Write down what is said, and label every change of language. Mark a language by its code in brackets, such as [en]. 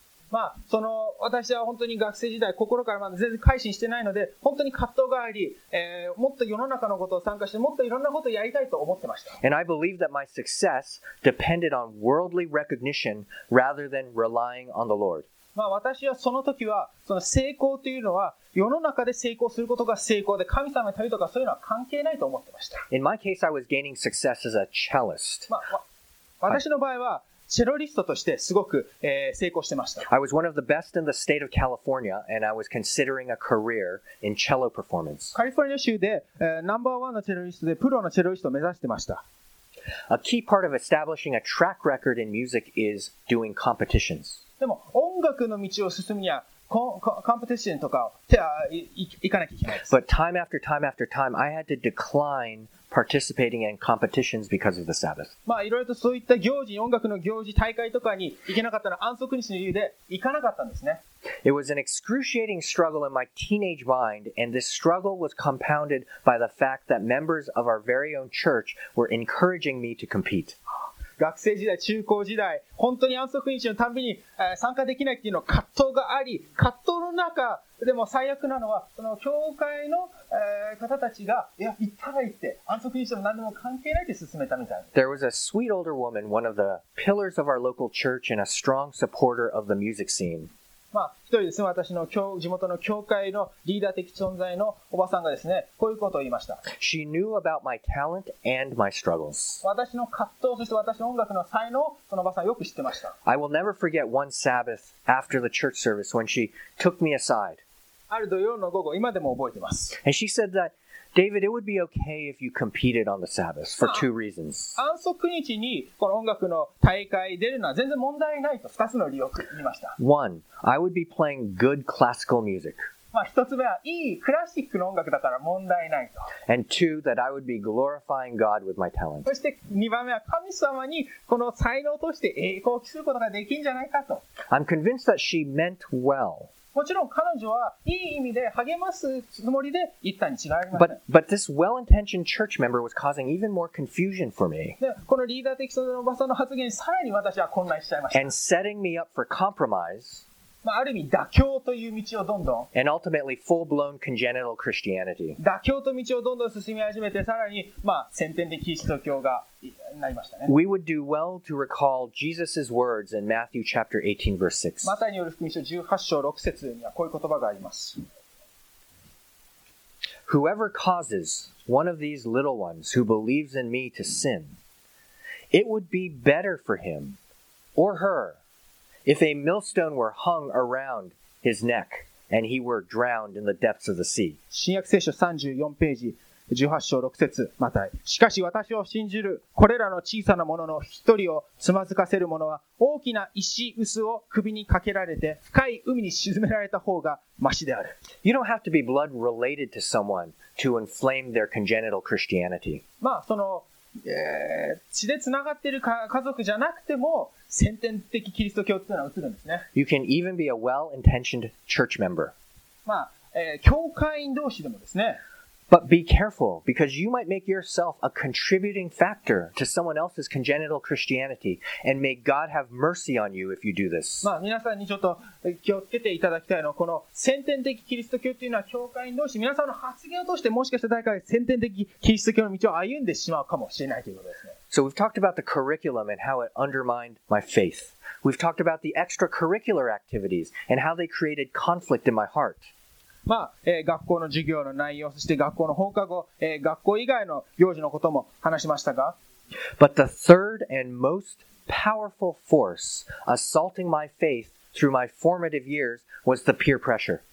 [ja] まあ、その、私は本当に学生時代、心からまだ全然改心してないので、本当に葛藤があり、もっと世の中のことを参加して、もっといろんなことをやりたいと思ってました。 [en] And I believe that my success depended on worldly recognition rather than relying on the Lord. [ja] まあ、私はその時はその成功というのは世の中で成功することが成功で神様のためとかそういうのは関係ないと思ってました。 [en] In my case, I was gaining success as a cellist. [ja] まあ、私の場合はチェロリストとしてすごく、成功してました。 [en] I was one of the best in the state of California, and I was considering a career in cello performance. [ja] カリフォルニア州で、ナンバーワンのチェロリストでプロのチェロリストを目指してました。 [en] A key part of establishing a track record in music is doing competitions. [ja] でも音楽の道を進むにはコンペティションとか行かなきゃいけないです。 [en] But time after time after time, I had to decline participating in competitions because of the Sabbath. [ja] まあ、いろいろとそういった行事、音楽の行事、大会とかに行けなかったのは安息日の理由で行かなかったんですね。 [en] It was an excruciating struggle in my teenage mind, and this struggle was compounded by the fact that members of our very own church were encouraging me to compete. [ja] 学生時代、中高時代、本当に安息日のたびに、参加できないっていうの葛藤があり、葛藤の中、でも最悪なのは、その教会の、方たちが、いや、行ったら行って、安息日でも何でも関係ないって進めたみたい。 [en] There was a sweet older woman, one of the pillars of our local church and a strong supporter of the music scene. [ja] まあ、一人ですね、私の地元の教会のリーダー的存在のおばさんがですね、こういうことを言いました。 [en] She knew about my talent and my struggles. [ja] 私の葛藤、そして私の音楽の才能、そのおばさんよく知ってました。 [en] I will never forget one Sabbath after the church service when she took me aside. [ja] ある土曜の午後、今でも覚えてます。 [en] And she said that, David, it would be okay if you competed on the Sabbath for two reasons. [ja] 安息日にこの音楽の大会出るのは全然問題ないと2つの理由を言いました。 [en] One, I would be playing good classical music. [ja] まあ一つ目はいいクラシックの音楽だから問題ないと。 [en] And two, that I would be glorifying God with my talent. [ja] そして2番目は神様にこの才能として栄光を期することができるんじゃないかと。 [en] I'm convinced that she meant well. [ja] もちろん彼女はいい意味で励ますつもりで言ったに違いありません。 [en] But this well-intentioned church member was causing even more confusion for me. [ja] このリーダー的存在のおばさんの発言にさらに私は混乱しちゃいました。 [en] And setting me up for compromise. [ja] まあ、ある意味妥協という道をどんどん。 [en] And ultimately full-blown congenital Christianity. [ja] 妥協と道をどんどん進み始めてさらに、まあ、先天的キリスト教がなりましたね。 [en] We would do well to recall Jesus' words in Matthew chapter 18, verse 6. [ja] マタイによる福音書18章6節にはこういう言葉があります。 [en] Whoever causes one of these little ones who believes in me to sin, it would be better for him or her if a millstone were hung around his neck and he were drowned in the depths of the sea. [ja] 新約聖書34ページ。18章6節マタイ。しかし私を信じるこれらの小さな者の一人をつまずかせる者は大きな石臼を首にかけられて深い海に沈められた方がマシである。 [en] You don't have to be blood related to someone to inflame their congenital Christianity. [ja] まあその、血でつながっている家族じゃなくても先天的キリスト教っていうのは映るんですね。 [en] You can even be a well-intentioned church member. [ja] まあ、教会員同士でもですね。 [en] But be careful, because you might make yourself a contributing factor to someone else's congenital Christianity, and may God have mercy on you if you do this. [ja] まあ、皆さんにちょっと気をつけていただきたいのは、この先天的キリスト教というのは教会同士、皆さんの発言を通してもしかしたら誰かが先天的キリスト教の道を歩んでしまうかもしれないということですね。 [en] So we've talked about the curriculum and how it undermined my faith. We've talked about the extracurricular activities and how they created conflict in my heart. [ja] まあ学校の授業の内容、そして学校の放課後、学校以外の行事のことも話しましたが。 [en] But the third and most powerful force assaulting my faith through my formative years was the peer pressure.